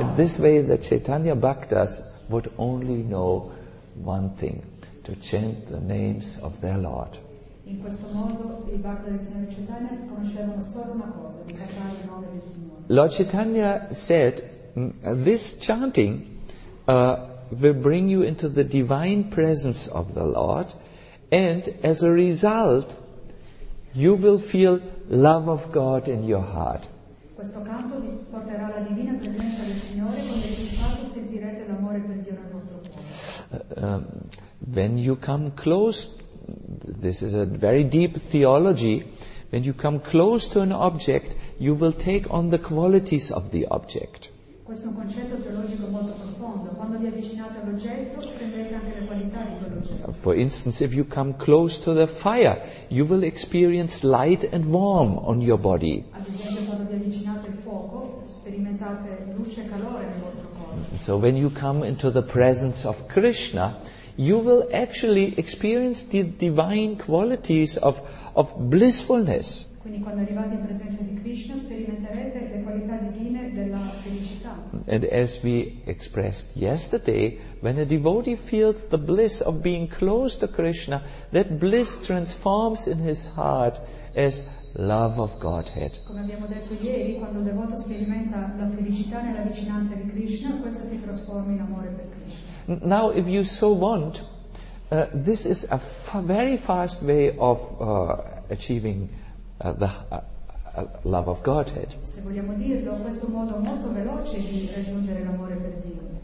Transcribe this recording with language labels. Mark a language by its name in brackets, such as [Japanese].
[English] In this way the Chaitanya Bhaktas would only know one thing, to chant the names of their Lord. [Italian] In questo modo i Bhakta del Signore Chaitanya conoscevano solo una cosa, di cantare il nome del Signore. [English] Lord Chaitanya said, this chanting will bring you into the divine presence of the Lord, and as a result you will feel love of God in your heart. [Italian] Questo canto vi porterà la divina presenza del Signore, con il risultato sentirete l'amore per Dio nel vostro cuore. [English] When you come close, this is a very deep theology. When you come close to an object, you will take on the qualities of the object. [Italian] Questo è un concetto teologico molto profondo. Quando vi avvicinate all'oggetto, prendete anche le qualità di quell'oggetto. [English] For instance, if you come close to the fire, you will experience light and warm on your body. [Italian] Ad esempio, quando vi avvicinate al fuoco, sperimentate luce e calore nel vostro corpo. [English] So when you come into the presence of Krishna, you will actually experience the divine qualities of blissfulness. [Italian] Quindi quando arrivate in presenza di Krishna sperimenterete le qualità divine della felicità. [English] And as we expressed yesterday, when a devotee feels the bliss of being close to Krishna, that bliss transforms in his heart as love of Godhead. [Italian] Come abbiamo detto ieri, quando un devoto sperimenta la felicità nella vicinanza di Krishna, questa si trasforma in amore per Krishna. [English] Now, if you so want, this is a very fast way of achieving the love of Godhead. [Italian] Se vogliamo dirlo, questo modo molto veloce di raggiungere l'amore per Dio.